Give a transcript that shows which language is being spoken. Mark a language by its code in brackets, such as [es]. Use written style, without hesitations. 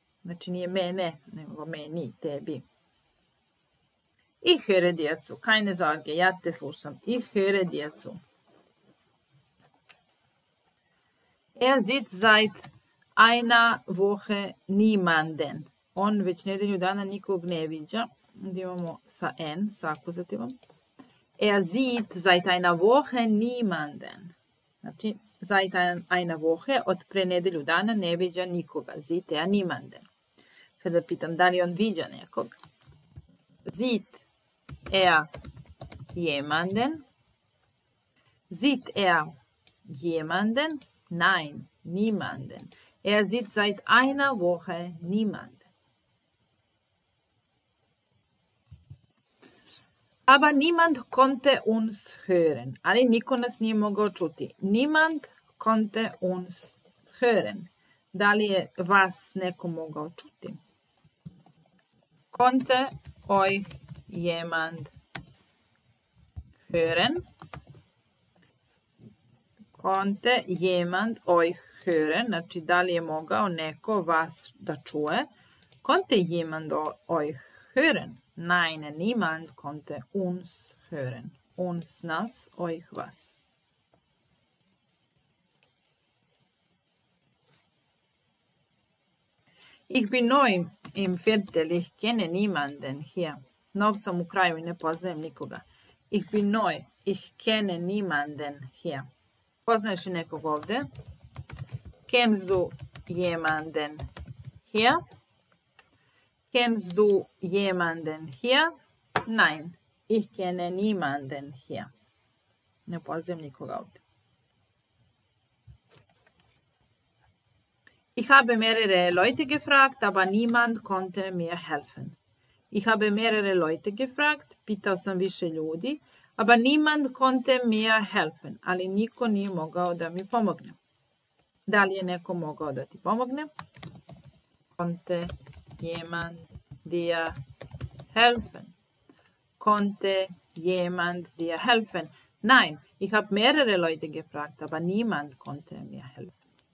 [sr] Znači nije mene, nego meni, tebi. [de] Ich höre dir zu. Keine Sorge, [sr] ja te slušam. [de] Ich höre dir zu. Er sieht seit einer Woche niemanden. [sr] On već nedelju dana nikog ne viđa. Onda imamo sa N, sa akuzativom. [de] Er sieht seit einer Woche niemanden. [sr] Znači, [de] seit einer Woche, [sr] od pre nedelju dana, ne viđa nikoga. [de] Sieht er niemanden. [sr] Sad da pitam, da li on viđa nekog? [de] Sieht er jemanden? Sieht er jemanden? Nein, niemanden. Er sieht seit einer Woche niemanden. Aber niemand konnte uns hören. [sr] Ali niko nas nije mogao čuti. [de] Niemand konnte uns hören. [sr] Da li je vas neko mogao čuti? [de] Konnte euch jemand hören? Konnte jemand euch hören? [sr] Znači, da li je mogao neko vas da čuje? [de] Konnte jemand euch hören? Nein, niemand konnte uns hören. Uns, nas, euch, was. Ich bin neu im Viertel, ich kenne niemanden hier. [sr] Nov sam u kraju i ne poznajem nikoga. [de] Ich bin neu, ich kenne niemanden hier. [sr] Poznaješ li nekog ovde? [de] Kennst du jemanden hier? Kennst du jemanden hier? Nein, ich kenne niemanden hier. [sr] Ne poznajem nikoga ovde. [de] Ich habe mehrere Leute gefragt, aber niemand konnte mir helfen. Ich habe mehrere Leute gefragt, [sr] pitao sam više ljudi, [de] aber niemand konnte mir helfen. [sr] Ali niko nije mogao da mi pomogne. Da li je neko mogao da ti pomogne? [de] Konnte jemand dir helfen? Konnte jemand dir helfen? Nein, ich habe mehrere Leute gefragt, aber niemand konnte mir helfen.